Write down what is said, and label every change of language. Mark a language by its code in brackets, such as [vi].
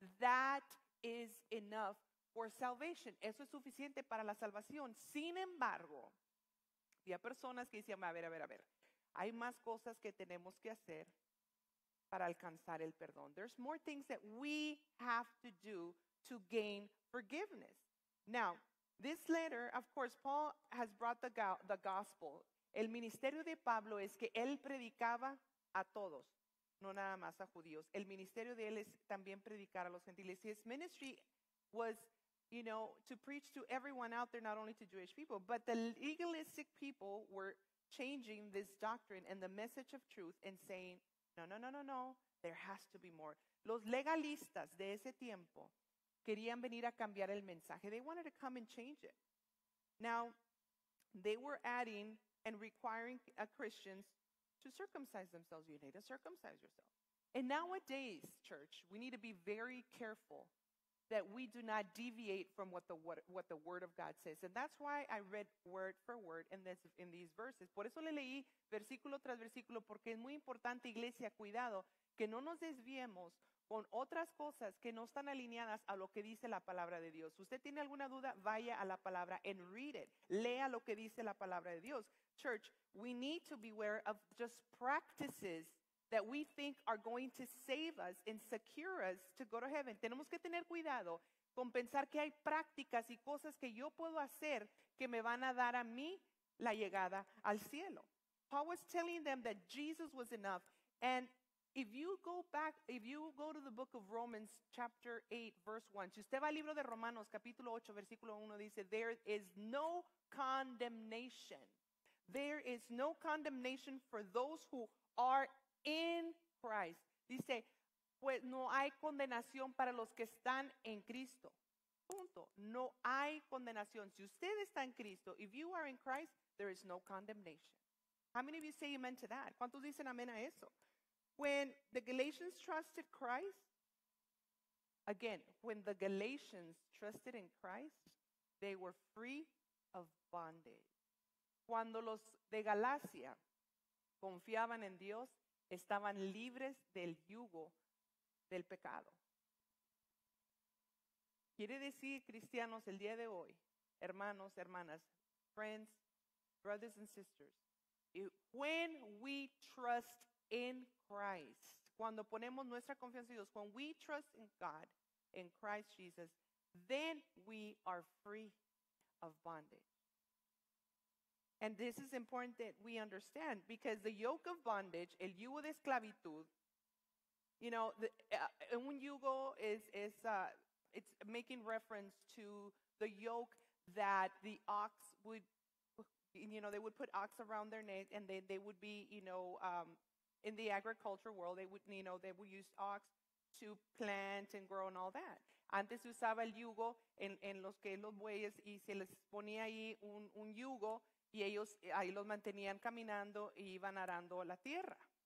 [en] That is enough for salvation. [es] Eso es suficiente para la salvación. Sin embargo, había personas que decían, a ver, hay más cosas que tenemos que hacer para alcanzar el perdón. [en] There's more things that we have to do to gain forgiveness. Now, this letter, of course, Paul has brought the gospel. [es] El ministerio de Pablo es que él predicaba a todos, no nada más a judíos. El ministerio de él es también predicar a los gentiles. [en] His ministry was, you know, to preach to everyone out there, not only to Jewish people, but the legalistic people were changing this doctrine and the message of truth and saying, no, there has to be more. [es] Los legalistas de ese tiempo querían venir a cambiar el mensaje. [en] They wanted to come and change it. Now, they were adding and requiring Christians to circumcise themselves. You need to circumcise yourself. And nowadays, church, we need to be very careful that we do not deviate from what the Word of God says. And that's why I read word for word in these verses. [es] Por eso le leí versículo tras versículo, porque es muy importante, iglesia, cuidado, que no nos desviemos con otras cosas que no están alineadas a lo que dice la palabra de Dios. Usted tiene alguna duda, vaya a la palabra [en] and read it. [es] Lea lo que dice la palabra de Dios. [en] Church, we need to beware of just practices that we think are going to save us and secure us to go to heaven. [es] Tenemos que tener cuidado con pensar que hay prácticas y cosas que yo puedo hacer que me van a dar a mí la llegada al cielo. [en] Paul was telling them that Jesus was enough. And if you go back, if you go to the book of Romans chapter 8, verse 1. [es] Si usted va al libro de Romanos, capítulo 8, versículo 1, dice, [en] there is no condemnation. There is no condemnation for those who are in Christ. [es] Dice, pues no hay condenación para los que están en Cristo. Punto. No hay condenación. Si usted está en Cristo, [en] if you are in Christ, there is no condemnation. How many of you say amen to that? [es] ¿Cuántos dicen amén a eso? [en] When the Galatians trusted Christ, again, when the Galatians trusted in Christ, they were free of bondage. [es] Cuando los de Galacia confiaban en Dios, estaban libres del yugo del pecado. Quiere decir, cristianos, el día de hoy, hermanos, hermanas, friends, brothers and sisters, when we trust in Christ, cuando ponemos nuestra confianza en Dios, when we trust in God, in Christ Jesus, then we are free of bondage. [en] And this is important that we understand, because the yoke of bondage, [es] el yugo de esclavitud, [en] you know, un yugo it's making reference to the yoke that the ox would, you know, they would put ox around their neck, and they would be, you know, in the agriculture world, they would, you know, they would use ox to plant and grow and all that. [es] Antes usaba el yugo en los que los bueyes, y se les ponía ahí un yugo, y ellos ahí los mantenían caminando y iban arando la tierra.